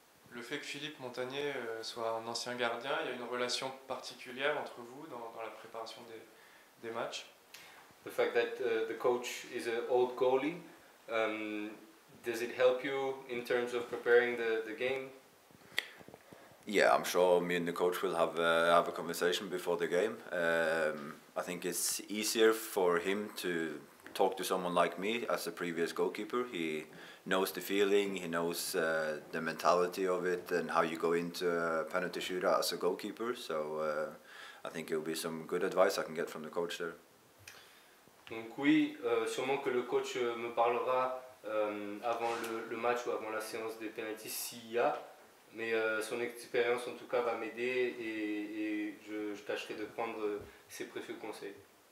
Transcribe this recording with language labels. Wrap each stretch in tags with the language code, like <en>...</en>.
<fr>Le fait que Philippe Montagnier soit un ancien gardien, il y a une relation particulière entre vous dans la préparation des matchs?</fr> <en>The fact that the coach is an old goalie, does it help you in terms of preparing the game? Yeah, I'm sure me and the coach will have a conversation before the game. I think it's easier for him to talk to someone like me as a previous goalkeeper. He knows the feeling, he knows the mentality of it and how you go into a penalty shootout as a goalkeeper. So I think it will be some good advice I can get from the coach there.</en> <fr>Donc oui, sûrement que le coach me parlera avant le match ou avant la séance des penalties s'il y a. Mais son expérience en tout cas va m'aider et je tâcherai de prendre ses précieux conseils.</fr>